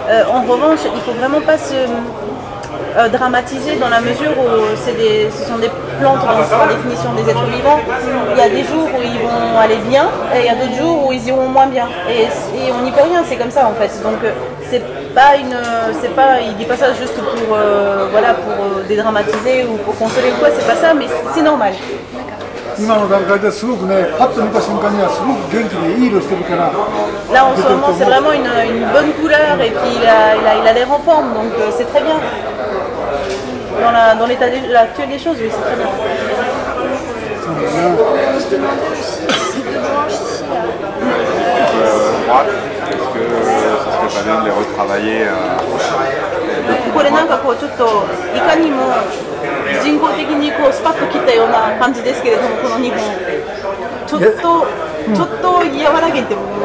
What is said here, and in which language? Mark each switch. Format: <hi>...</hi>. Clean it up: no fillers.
<fr>En revanche, il ne faut vraiment pas se dramatiser dans la mesure où ce sont des plantes par définition des êtres vivants. Il y a des jours où ils vont aller bien et il y a d'autres jours où ils iront moins bien. Et on n'y peut rien, c'est comme ça en fait. Donc, il ne dit pas ça juste pour dédramatiser ou pour consoler ou quoi, c'est pas ça, mais c'est normal.</fr> <ja>今の段階ですごくね、パッと見た瞬間にはすごく元気でいい色してるから。</ja> <fr>Là en ce moment c'est vraiment une bonne couleur et puis il a l'air en forme donc c'est très bien. Dans l'état de l'actuel des choses, oui, c'est très bien. Je te demande aussi Est-ce que ça serait pas bien de les retravailler</fr> <ja>これなんかこうちょっといかにも人工的にこうスパッと切ったような感じですけれどもこの2本ちょっと柔らげても</ja>